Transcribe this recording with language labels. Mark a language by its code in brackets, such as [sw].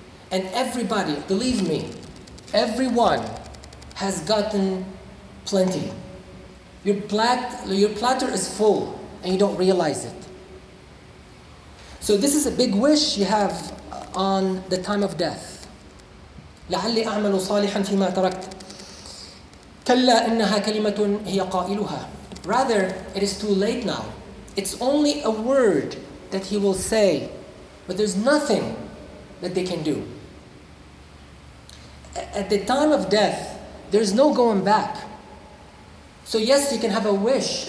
[en] And everybody, believe me, everyone has gotten plenty. Your platter is full and you don't realize it. So this is a big wish you have on the time of death. [ar] لعلي أعمل صالحا فيما تركت. كلا إنها كلمة هي قائلها. [en] Rather, it is too late now. It's only a word that he will say, but there's nothing that they can do. At the time of death, there's no going back. So yes, you can have a wish.